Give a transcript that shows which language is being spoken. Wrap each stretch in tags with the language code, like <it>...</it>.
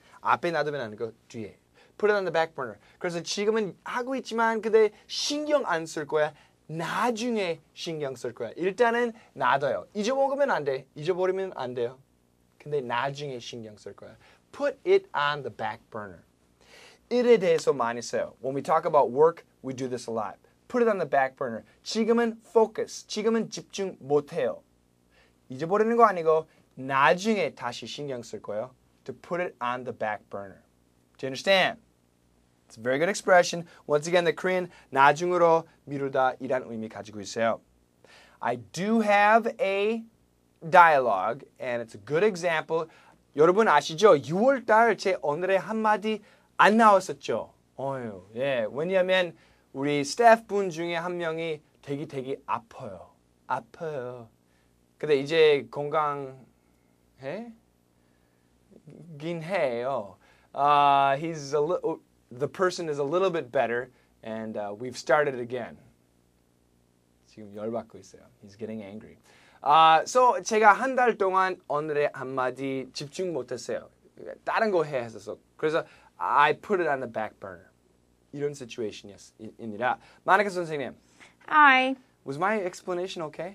<ko>앞에 놔두면 안 되고 뒤에.</ko> <en>Put it on the back burner.</en> <ko>그래서 지금은 하고 있지만 근데 신경 안 쓸 거야. 나중에 신경 쓸 거야. 일단은 놔둬요. 잊어먹으면 안 돼. 잊어버리면 안 돼요. 근데 나중에 신경 쓸 거야.</ko> <en>Put it on the back burner.</en> <ko>일에 대해서 많이 써요.</ko> <en>When we talk about work, we do this a lot. Put it on the back burner.</en> <ko>지금은 focus. 지금은 집중 못 해요. 잊어버리는 거 아니고 나중에 다시 신경 쓸 거예요.</ko> <en>To put it on the back burner. Do you understand? It's a very good expression. Once again, the Korean</en> <ko>나중으로 미루다 이란 의미 가지고 있어요.</ko> <en>I do have a dialogue, and it's a good example.</en> <ko>여러분 아시죠? 6월 달 제 오늘의 한마디 안 나왔었죠? 어휴, 예. 왜냐하면 우리 스태프분 중에 한 명이 되게 아파요. 아파요. 근데 이제 건강해? 긴 해요.</ko> <en>The person is a little bit better, and we've started again.</en> <ko>지금 열받고 있어요.</ko> <en>He's getting angry.</en> <ko>So 제가 한 달 동안 오늘의 한마디 집중 못했어요. 다른 거 해야 했었어. 그래서</ko> <en>I put it on the back burner.</en> <ko>이런 situation입니다. 마니카 선생님.</ko> <en>Hi. Was my explanation okay?</en>